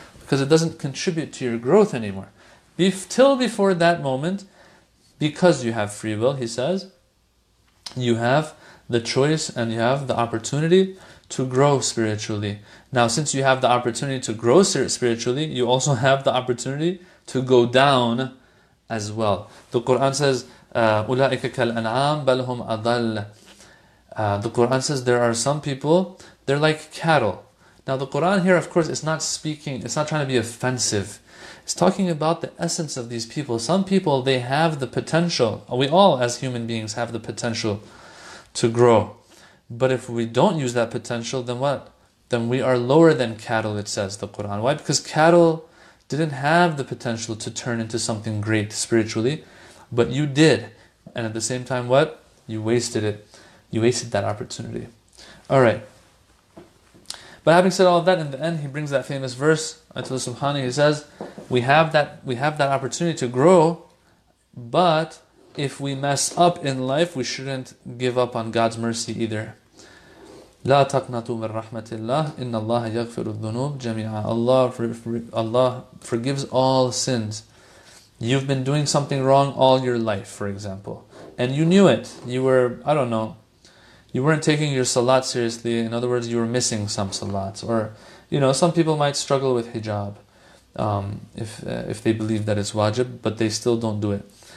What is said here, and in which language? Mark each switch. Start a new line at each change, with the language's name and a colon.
English: because it doesn't contribute to your growth anymore. Till before that moment, because you have free will, he says, you have the choice and you have the opportunity to grow spiritually. Now, since you have the opportunity to grow spiritually, you also have the opportunity to go down as well. The Quran says,
Arabic: أُولَٰئِكَ كَالْأَنْعَامِ بَلْ هُمْ أَضَلَّ.
English: The Quran says there are some people, they're like cattle. Now the Quran here, of course, is not speaking, it's not trying to be offensive. It's talking about the essence of these people. Some people, they have the potential. We all, as human beings, have the potential to grow. But if we don't use that potential, then what? Then we are lower than cattle, it says the Quran. Why? Because cattle didn't have the potential to turn into something great spiritually, but you did. And at the same time, what? You wasted it. You wasted that opportunity. All right. But having said all of that, in the end, he brings that famous verse, Ayatollah Subhani, he says, we have that opportunity to grow, but if we mess up in life, we shouldn't give up on God's mercy either.
Arabic: لا تقنطوا من رحمة الله إن الله يغفر الذنوب جميعا.
English: Allah forgives all sins. You've been doing something wrong all your life, for example, and you knew it. You were, I don't know, you weren't taking your salat seriously. In other words, you were missing some salats, or you know, some people might struggle with hijab if they believe that it's wajib, but they still don't do it.